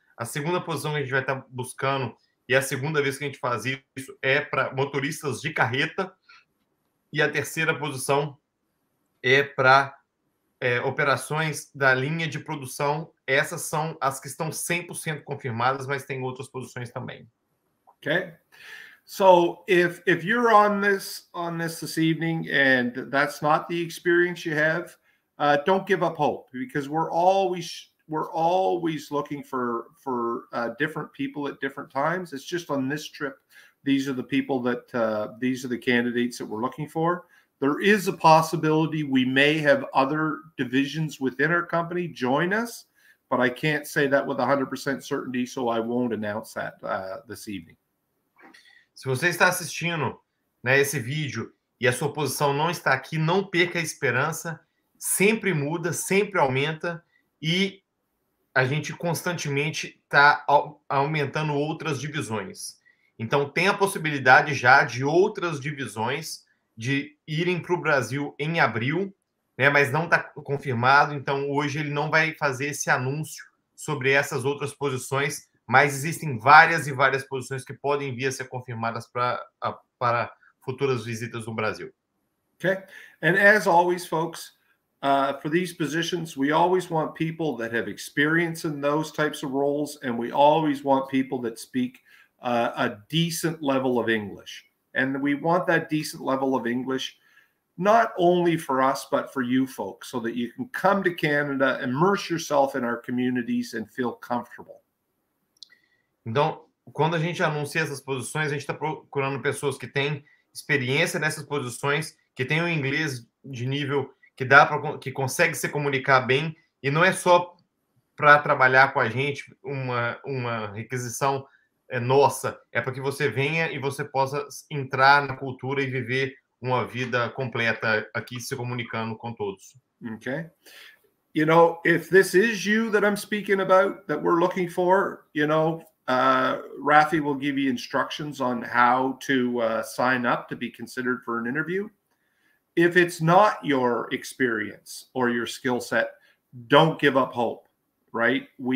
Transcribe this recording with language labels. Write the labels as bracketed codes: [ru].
[pt] A segunda posição que a gente vai estar buscando, e a segunda vez que a gente faz isso, é para motoristas de carreta. E a terceira posição é para... operações da linha de produção. Essas são as que estão 100% confirmadas, mas tem outras posições também. Okay. [en] So if you're on this evening and that's not the experience you have, don't give up hope, because we're always looking for different people at different times. It's just on this trip, these are the people that these are the candidates that we're looking for. There is a possibility we may have other divisions within our company join us, but I can't say that with 100% certainty, so I won't announce that this evening. [pt] Se você está assistindo, né, esse vídeo e a sua posição não está aqui, não perca a esperança. Sempre muda, sempre aumenta, e a gente constantemente está aumentando outras divisões. Então, tem a possibilidade já de outras divisões de irem para o Brasil em abril, né? Mas não está confirmado. Então, hoje ele não vai fazer esse anúncio sobre essas outras posições, mas existem várias e várias posições que podem vir a ser confirmadas para futuras visitas no Brasil. Okay. [en] And as always, folks, for these positions, we always want people that have experience in those types of roles, and we always want people that speak a decent level of English. And we want that decent level of English not only for us, but for you folks, so that you can come to Canada, immerse yourself in our communities, and feel comfortable. [pt] Então, quando a gente anuncia essas posições, a gente está procurando pessoas que têm experiência nessas posições, que têm um inglês de nível que dá para, que consegue se comunicar bem, e não é só para trabalhar com a gente uma requisição nossa, é para que você venha e você possa entrar na cultura e viver uma vida completa aqui se comunicando com todos. Ok. [en] You know, if this is you that I'm speaking about, that we're looking for, you know, Rafi will give you instructions on how to sign up to be considered for an interview. If it's not your experience or your skill set, don't give up hope, right?